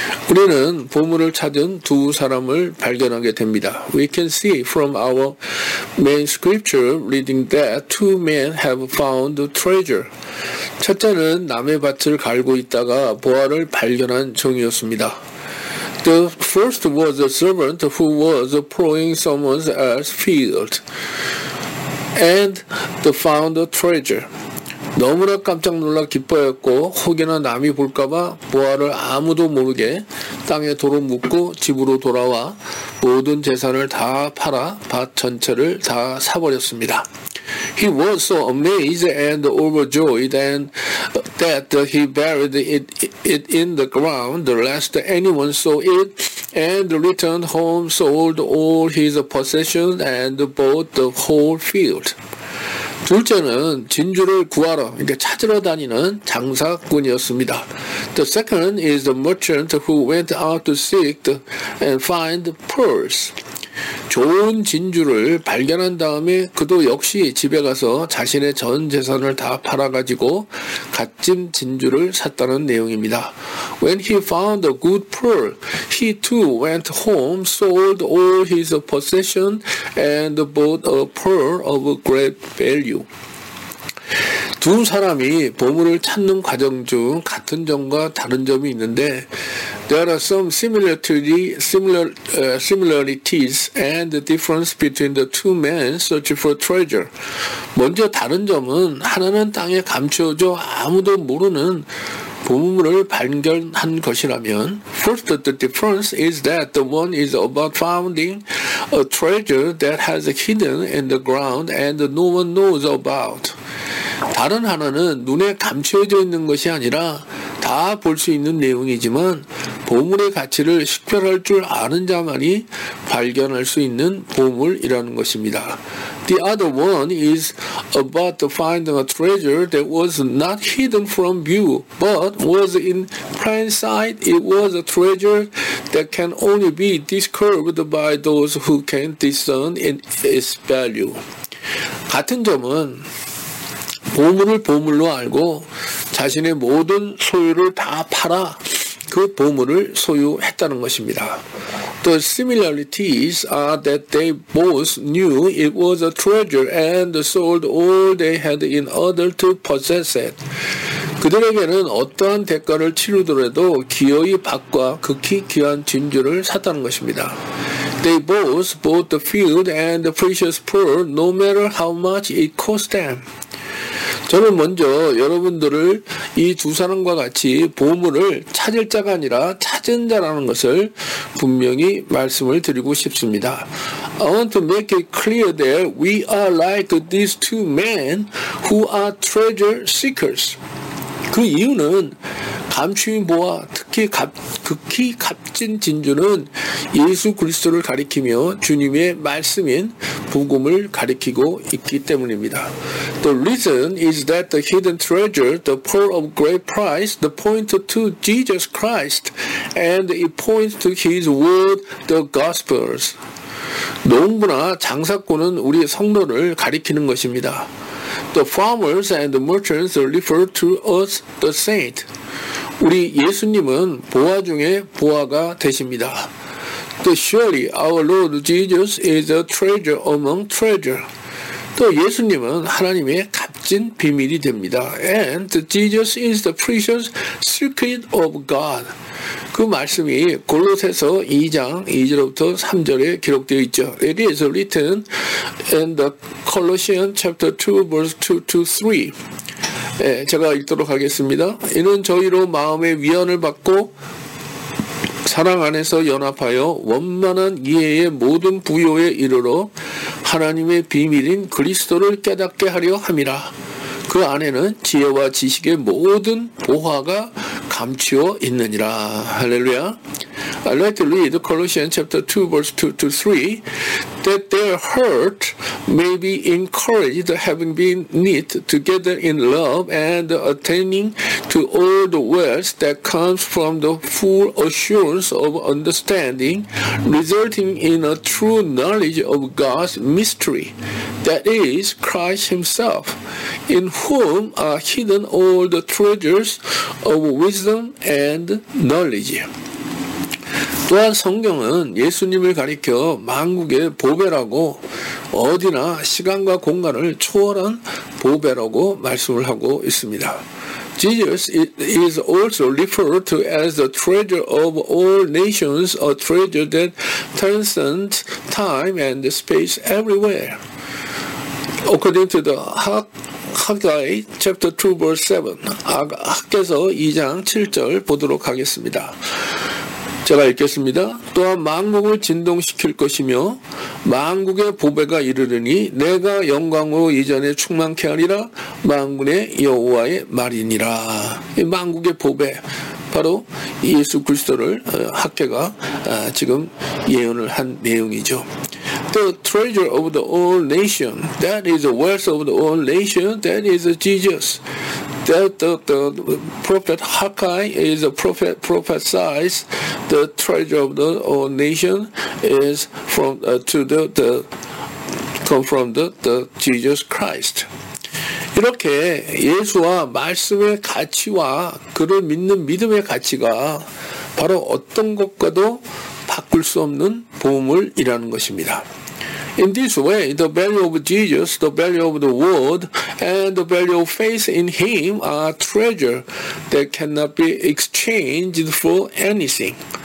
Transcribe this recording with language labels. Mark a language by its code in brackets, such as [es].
[ko] 우리는 보물을 찾은 두 사람을 발견하게 됩니다. [en] We can see from our main scripture reading that two men have found the treasure. [ko] 첫째는 남의 밭을 갈고 있다가 보화를 발견한 종이었습니다. [en] The first was a servant who was plowing someone else's field and found a treasure. [ko] 너무나 깜짝 놀라 기뻐했고 혹여나 남이 볼까봐 보화를 아무도 모르게 땅에 도로 묻고 집으로 돌아와 모든 재산을 다 팔아 밭 전체를 다 사버렸습니다. [en] He was so amazed and overjoyed and that he buried it in the ground the last anyone saw it and returned home, sold all his possessions and bought the whole field. [ko] 둘째는 진주를 구하러, 그러니까 찾으러 다니는 장사꾼이었습니다. [en] The second is the merchant who went out to seek and find pearls. [ko] 좋은 진주를 발견한 다음에 그도 역시 집에 가서 자신의 전 재산을 다 팔아가지고 갓진 진주를 샀다는 내용입니다. [en] When he found a good pearl, he too went home, sold all his possessions, and bought a pearl of great value. [ko] 두 사람이 보물을 찾는 과정 중 같은 점과 다른 점이 있는데 [en] There are some similarities and the difference between the two men searching for treasure. [ko] 먼저 다른 점은 하나는 땅에 감추어져 아무도 모르는 보물을 발견한 것이라면 [en] First, the difference is that the one is about finding a treasure that has hidden in the ground and no one knows about. [ko] 다른 하나는 눈에 감추어져 있는 것이 아니라 다 볼 수 있는 내용이지만 보물의 가치를 식별할 줄 아는 자만이 발견할 수 있는 보물이라는 것입니다. [en] The other one is about finding a treasure that was not hidden from view, but was in plain sight. It was a treasure that can only be discovered by those who can discern its value. [ko] 같은 점은 보물을 보물로 알고 자신의 모든 소유를 다 팔아 그 보물을 소유했다는 것입니다. [en] The similarities are that they both knew it was a treasure and sold all they had in order to possess it. [ko] 그들에게는 어떠한 대가를 치르더라도 기어이 밭과 극히 귀한 진주를 샀다는 것입니다. [en] They both bought the field and the precious pearl no matter how much it cost them. [ko] 저는 먼저 여러분들을 이 두 사람과 같이 보물을 찾을 자가 아니라 찾은 자라는 것을 분명히 말씀을 드리고 싶습니다. [en] I want to make it clear that we are like these two men who are treasure seekers. [ko] 그 이유는 감추인 보화, 특히 극히 값진 진주는 예수 그리스도를 가리키며 주님의 말씀인 복음을 가리키고 있기 때문입니다. [en] The reason is that the hidden treasure, the pearl of great price, the point to Jesus Christ, and it points to His word, the Gospels. [ko] 농부나 장사꾼은 우리 성도를 가리키는 것입니다. [en] The farmers and the merchants refer to us, the saint. [ko] 우리 예수님은 보화 중에 보화가 되십니다. [en] The surely our Lord Jesus is a treasure among treasure. [ko] 또 예수님은 하나님의 값진 비밀이 됩니다. [en] And Jesus is the precious secret of God. [ko] 그 말씀이 골로새서 2장 2절부터 3절에 기록되어 있죠. [en] It is written in the Colossians chapter 2 verse 2 to 3. [ko] 예, 제가 읽도록 하겠습니다. 이는 저희로 마음의 위안을 받고 사랑 안에서 연합하여 원만한 이해의 모든 부요에 이르러 하나님의 비밀인 그리스도를 깨닫게 하려 함이라. 그 안에는 지혜와 지식의 모든 보화가 감추어 있느니라. 할렐루야. [en] I'd like to read Colossians chapter 2 verse 2 to 3 that their heart may be encouraged having been knit together in love and attaining to all the wealth that comes from the full assurance of understanding resulting in a true knowledge of God's mystery that is Christ himself in whom are hidden all the treasures of wisdom and knowledge. [ko] 또한 성경은 예수님을 가리켜 만국의 보배라고 어디나 시간과 공간을 초월한 보배라고 말씀을 하고 있습니다. [en] Jesus is also referred to as the treasure of all nations, a treasure that transcends time and space everywhere. According to the Haggai chapter 2 verse 7, [ko] 학계서 2장 7절 보도록 하겠습니다. 제가 읽겠습니다. 또한 만국을 진동시킬 것이며 만국의 보배가 이르르니 내가 영광으로 이전에 충만케 하리라 만군의 여호와의 말이니라. 이 만국의 보배 바로 예수 그리스도를 학계가 지금 예언을 한 내용이죠. [en] The treasure of the all nation, that is the wealth of the all nation, that is Jesus. That the prophet Haggai is a prophet prophesies the treasure of the all nation is from come from Jesus Christ. [ko] 이렇게 예수와 말씀의 가치와 그를 믿는 믿음의 가치가 바로 어떤 것과도 바꿀 수 없는 보물이라는 것입니다. [en] In this way, the value of Jesus, the value of the word, and the value of faith in Him are treasure that cannot be exchanged for anything.